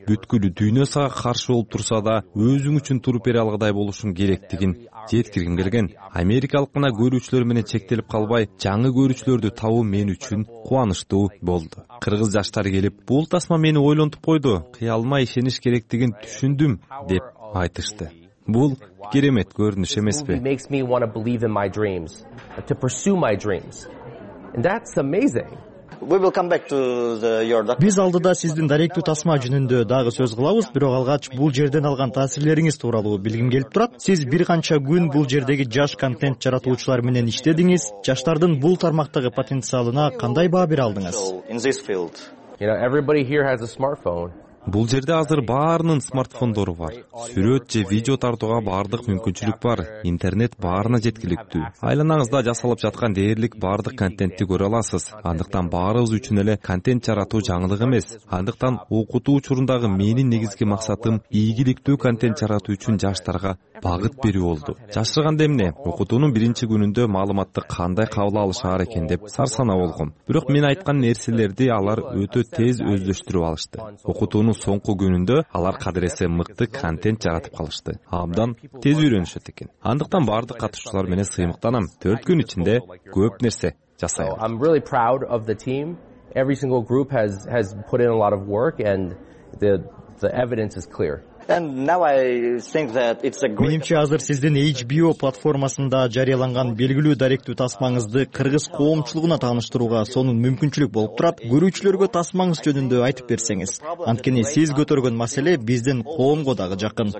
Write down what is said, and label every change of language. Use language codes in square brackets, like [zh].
[ky] Бүткүл дүйнө сага каршы болуп турса да, өзүң үчүн туруп бере алгыдай болушуң керектигин жеткиргим келген. Америкалык гана көрүүчүлөр менен чектелип калбай, жаңы көрүүчүлөрдү табуу мен үчүн кубанычтуу болду. Кыргыз жаштары келип, бул тасма мени ойлонтуп койду, кыялыма ишениш керектигин түшүндүм деп айтышты. Бул керемет көрүнүш эмеспи? [en] It makes me want to believe in my dreams, to pursue my dreams. And that's amazing. We will come back to your doctor. [ky] Биз алдыда сиздин даректүү тасма жөнүндө дагы сөз кылабыз, бирок алгач бул жерден алган таасирлериңиз тууралуу билгим келип турат. Сиз бир канча күн бул жердеги жаш контент жаратуучулар менен иштедиңиз. Жаштардын бул тармактагы потенциалына кандай баа бере алдыңыз? [en] In this field. You know, everybody here has a smartphone. [ky] Бул жерде азыр баарынын смартфондору бар. Сүрөт же видео тартууга бардык мүмкүнчүлүк бар. Интернет баарына жеткиликтүү. Айланаңызда жасалып жаткан дээрлик бардык контентти көрө аласыз. Андыктан баарыбыз үчүн эле контент жаратуу жаңылык эмес. Андыктан окутуу учурундагы менин негизги максатым ийгиликтүү контент жаратуу үчүн жаштарга багыт берүү болду. Жашырганда эмне? Окутуунун биринчи күнүндө маалыматты кандай кабыл алышаар экен деп сарсана болгом. Бирок мен айткан нерселерди алар өтө тез өздөштүрүп алышты. Окутуунун соңку күнүндө алар кадыресе мыкты контент жаратып калышты. Абдан тез үйрөнүшөт экен. Андыктан бардык катышуучулар менен сыймыктанам. 4 күн ичинде көп нерсе жасайм. [en] I'm really proud of the team. Every single group has put in a lot of work and the evidence is clear. And now I think that it's a great. [ky] Менимче, азыр сиздин HBO платформасында жарыяланган белгилүү даректүү тасмаңызды кыргыз коомчулугуна тааныштырууга сонун мүмкүнчүлүк болуп турат. Көрүүчүлөргө тасмаңыз жөнүндө айтып берсеңиз. Анткени сиз көтөргөн маселе биздин коомго дагы жакын.